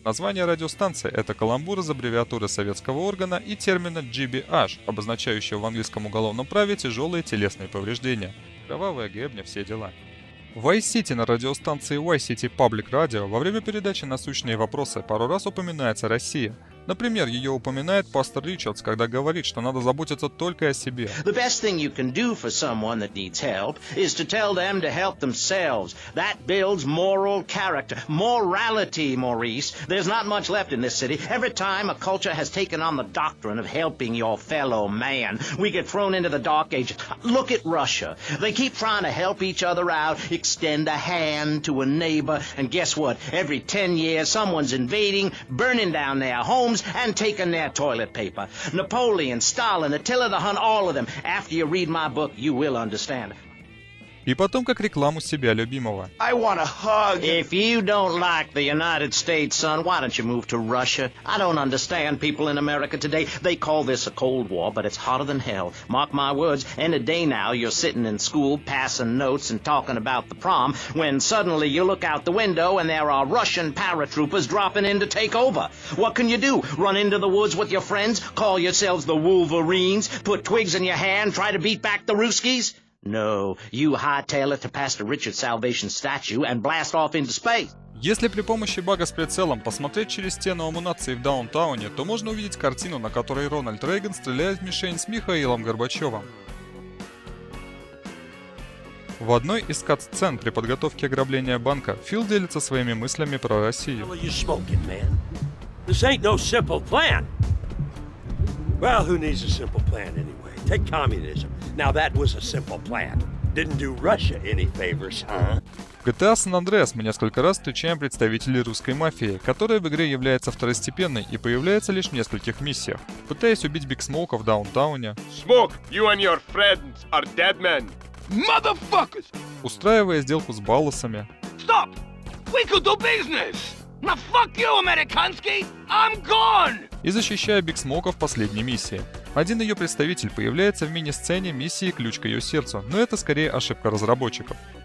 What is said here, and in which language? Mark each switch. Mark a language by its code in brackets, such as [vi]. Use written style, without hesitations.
[ru] Название радиостанции – это каламбур из аббревиатуры советского органа и термина GBH, обозначающего в английском уголовном праве тяжелые телесные повреждения. Кровавая гребня, все дела. В Vice City на радиостанции Vice City Public Radio во время передачи «Насущные вопросы» пару раз упоминается Россия. Например, ее упоминает пастор Ричардс, когда говорит, что надо заботиться только о себе. [en] The best thing you can do for someone that needs help is to tell them to help themselves. That builds moral character. Morality, Maurice. There's not much left in this city. Every time a culture has taken on the doctrine of helping your fellow man, we get thrown into the dark ages. Look at Russia. They keep trying to help each other out, extend a hand to a neighbor, and guess what? Every 10 years someone's invading, burning down their home. And taking their toilet paper. Napoleon, Stalin, Attila the Hun, all of them. After you read my book, you will understand. [ru] и потом как рекламу себя любимого. [en] I want a hug. If you don't like the United States, son, why don't you move to Russia? I don't understand people in America today. They call this a cold war, but it's hotter than hell. Mark my words, any day now you're sitting in school, passing notes and talking about the prom, when suddenly you look out the window and there are Russian paratroopers dropping in to take over. What can you do? Run into the woods with your friends? Call yourselves the Wolverines? Put twigs in your hand? Try to beat back the Ruskies? No, you hightail it to Pastor Richard's Salvation statue and blast off into space. [ru] Если при помощи бага с прицелом посмотреть через стену амунации в Даунтауне, то можно увидеть картину, на которой Рональд Рейган стреляет в мишень с Михаилом Горбачевым. В одной из кат-сцен при подготовке ограбления банка Фил делится своими мыслями про Россию. [en] This ain't no simple plan. Well, who needs a simple plan anyway? Take communism. Now that was a simple plan. Didn't do Russia any favors, huh? [ru] В GTA San Andreas мы несколько раз встречаем представителей русской мафии, которая в игре является второстепенной и появляется лишь в нескольких миссиях, пытаясь убить Биг Смока в Даунтауне. [en] Smoke, you and your friends are dead men. Motherfuckers! [ru] Устраивая сделку с Балласами. [en] Stop! We could do business! Now fuck you, [ru] американский! [en] I'm gone! [ru] И защищая Биг Смока в последней миссии. Один ее представитель появляется в мини-сцене миссии «Ключ к ее сердцу», но это скорее ошибка разработчиков.